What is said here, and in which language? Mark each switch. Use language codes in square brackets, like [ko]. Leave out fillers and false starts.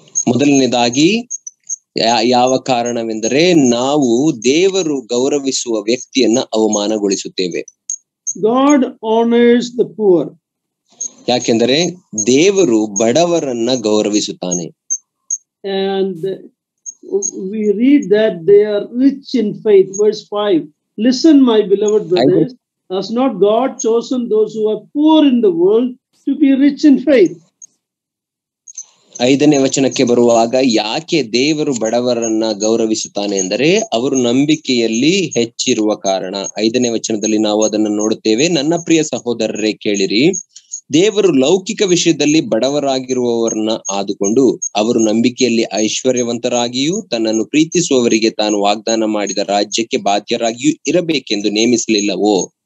[kn] ಮೊದಲನೇದಾಗಿ ಯಾವ ಕಾರಣವೆಂದರೆ ನಾವು ದೇವರು ಗೌರವಿಸುವ ವ್ಯಕ್ತಿಯನ್ನ ಅವಮಾನಗೊಳಿಸುತ್ತೇವೆ. [en] God honors the poor. [kn] ಯಾಕೆಂದರೆ ದೇವರು ಬಡವರನ್ನ ಗೌರವಿಸುತ್ತಾನೆ. [en] And we read that they are rich in faith. Verse 5. Listen, my beloved brothers, has not God chosen those who are poor in the world to be rich in faith? [kn] ಐದನೇ ವಚನಕ್ಕೆ ಬರುವಾಗ ಯಾಕೆ ದೇವರು ಬಡವರನ್ನ ಗೌರವಿಸುತ್ತಾನೆ ಎಂದರೆ ಅವರು ನಂಬಿಕೆಯಲ್ಲಿ ಹೆಚ್ಚಿರುವ ಕಾರಣ. ಐದನೇ ವಚನದಲ್ಲಿ ನಾವು ಅದನ್ನು ನೋಡುತ್ತೇವೆ. ನನ್ನ ಪ್ರಿಯ ಸಹೋದರರೇ, ಕೇಳಿರಿ, ದೇವರು ಲೌಕಿಕ ವಿಷಯದಲ್ಲಿ ಬಡವರಾಗಿರುವವರನ್ನ ಆದುಕೊಂಡು ಅವರು ನಂಬಿಕೆಯಲ್ಲಿ ಐಶ್ವರ್ಯವಂತರಾಗಿಯೂ ತನ್ನನ್ನು ಪ್ರೀತಿಸುವವರಿಗೆ ತಾನು ವಾಗ್ದಾನ ಮಾಡಿದ ರಾಜ್ಯಕ್ಕೆ ಬಾಧ್ಯರಾಗಿಯೂ ಇರಬೇಕೆಂದು ನೇಮಿಸಲಿಲ್ಲವೋ?